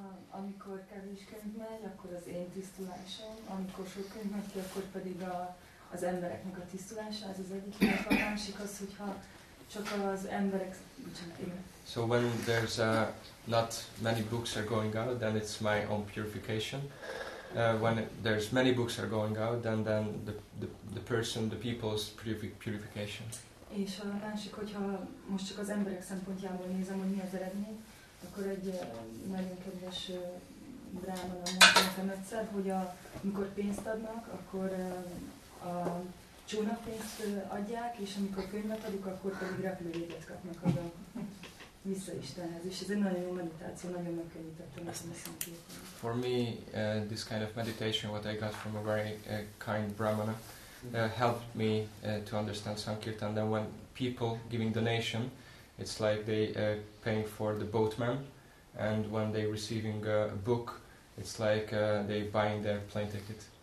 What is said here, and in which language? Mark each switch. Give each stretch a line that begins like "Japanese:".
Hungarian: Amikor kevés könyv megy, akkor az én tisztulásom, amikor sok könyv megy, akkor pedig az embereknek a tisztulása, ez az egyik, és a másik az, hogyha csak az emberek,
English: so when there's not many books are going out, then it's my own purification. When there's many books are going out, then the person, the people's purification.
Hungarian: És a másik, hogyha most csak az emberek szempontjából nézem, hogy mi az eredmény, akkor egy nagyon kedves brámana mondta nekem egyszer, hogy amikor pénzt adnak, akkor a csónakpénzt adják, és amikor könyvet adjuk, akkor pedig repülőjegyet kapnak oda vissza Istenhez. És ez egy nagyon jó meditáció, nagyon megkönnyítettem ezt a szintét.
English: For me, this kind of meditation, what I got from a very kind brámana, helped me to understand Sankirtan. Then when people giving donation, it's like they paying for the boatman, and when they receiving a book, it's like they buying their plane ticket.